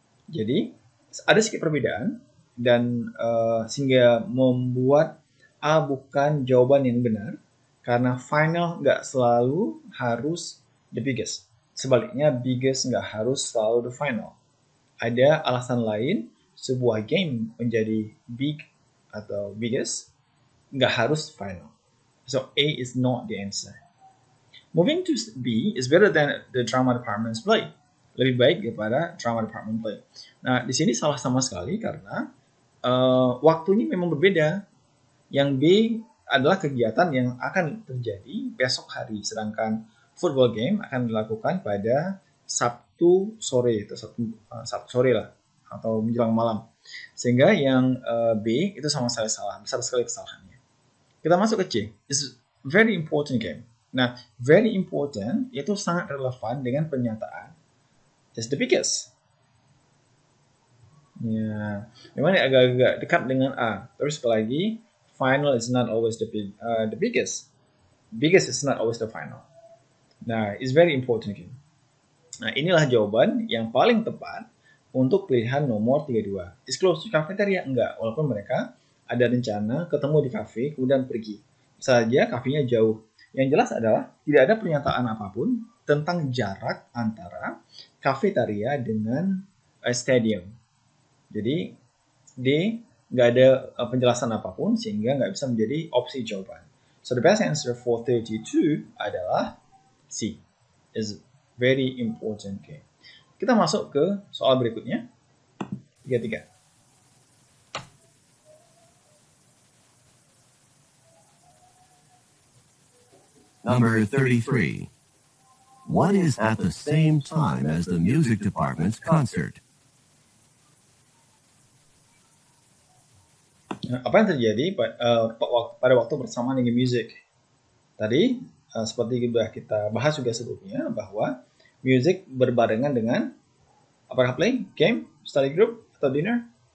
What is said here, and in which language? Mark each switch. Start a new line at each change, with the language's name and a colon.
Indonesian: Jadi ada sedikit perbedaan dan sehingga membuat A bukan jawaban yang benar karena final nggak selalu harus the biggest. Sebaliknya biggest nggak harus selalu the final. Ada alasan lain sebuah game menjadi big atau biggest nggak harus final.
English: So A is not the answer. Moving to B is better than the drama department's play.
Indonesian: Lebih baik daripada drama department play. Nah, di sini salah sama sekali karena waktunya memang berbeda. Yang B adalah kegiatan yang akan terjadi besok hari, sedangkan football game akan dilakukan pada Sabtu sore atau Sabtu sore lah atau menjelang malam. Sehingga yang B itu sama sekali salah, besar sekali kesalahannya. Kita masuk ke C.
English: It's very important game. Nah, very important
Indonesian: itu sangat relevan dengan pernyataan
English: it's the biggest.
Indonesian: Ya, memang ini agak-agak dekat dengan A. Tapi sekali lagi,
English: final is not always the biggest. Biggest is not always the final. Nah, it's very important game.
Indonesian: Nah, inilah jawaban yang paling tepat untuk pilihan nomor 32.
English: Disclose to cafeteria?
Indonesian: Enggak. Walaupun mereka ada rencana ketemu di cafe, kemudian pergi. Saja cafe-nya jauh. Yang jelas adalah tidak ada pernyataan apapun tentang jarak antara cafeteria dengan stadium. Jadi D, nggak ada penjelasan apapun sehingga nggak bisa menjadi opsi jawaban.
English: So the best answer for 32 adalah C. It's very important game.
Indonesian: Kita masuk ke soal berikutnya. 33.
English: Number 33. What is at the same time as the music department's concert?
Indonesian: Apa yang terjadi pada waktu bersamaan dengan music? Tadi, seperti sudah kita bahas juga sebelumnya, bahwa music berbarengan dengan apakah play, game, study group, atau dinner?